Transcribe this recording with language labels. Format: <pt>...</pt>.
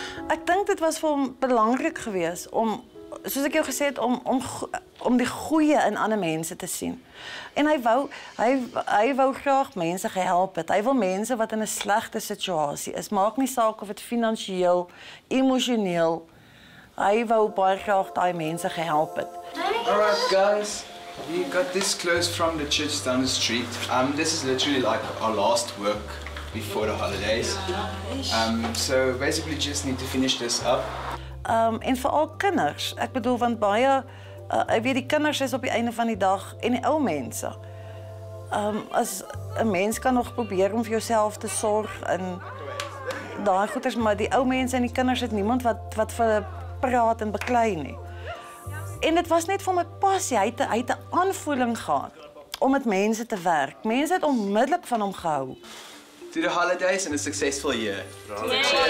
<af>Ek dink dit was vir hom belangrik geweest om, soos ek jou gesê het, om die goeie in ander mense te sien. En hy wou graag mense gehelp het. Hy wil mense wat in 'n slegte situasie is, maak nie saak of dit finansiëel, emosioneel, hy wou baie graag daai mense gehelp het.</af> <en>Alright guys, we got this clothes from the church down the street. This is literally like our last work before the holidays. So basically just need to finish this up.</en> <af>En vir al kinders. Ek bedoel want baie ek weet die kinders is op die einde van die dag en die ou mense. As 'n mens kan nog probeer om vir jouself te sorg en daai goeders, maar die ou mense en die kinders het niemand wat vir praat en beklei nie. En dit was net vir my passie. Hy het 'n aanvoeling gehad om met mense te werk. Mense het onmiddellik van hom gehou.</af> <en>To the holidays and a successful year. Yeah.</en>